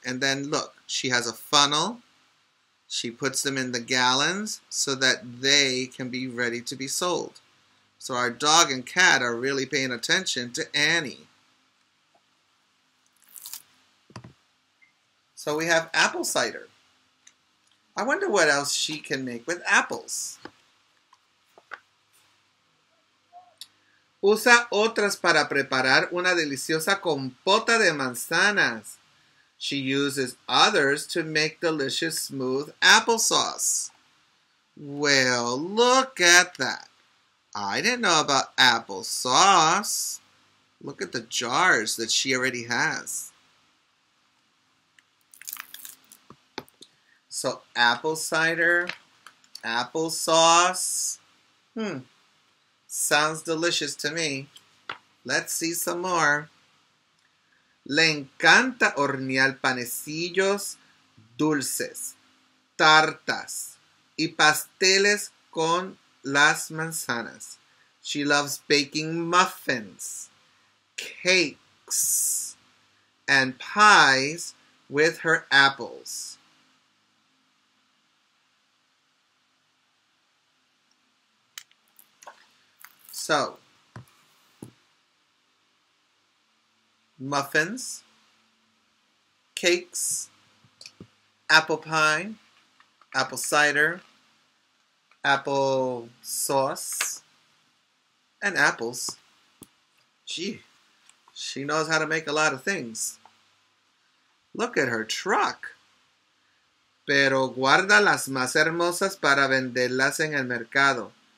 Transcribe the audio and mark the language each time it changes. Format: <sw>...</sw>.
<en>And then look, she has a funnel. She puts them in the gallons so that they can be ready to be sold. So our dog and cat are really paying attention to Annie. So we have apple cider. I wonder what else she can make with apples.</en> <es>Usa otras para preparar una deliciosa compota de manzanas.</es> <en>She uses others to make delicious smooth applesauce. Well, look at that. I didn't know about applesauce. Look at the jars that she already has. So apple cider, applesauce. Sounds delicious to me. Let's see some more.</en> <es>Le encanta hornear panecillos dulces, tartas y pasteles con las manzanas.</es> <en>She loves baking muffins, cakes, and pies with her apples. So, muffins, cakes, apple pie, apple cider, apple sauce, and apples. Gee, she knows how to make a lot of things. Look at her truck.</en> <es>Pero guarda las más hermosas para venderlas en el mercado.</es>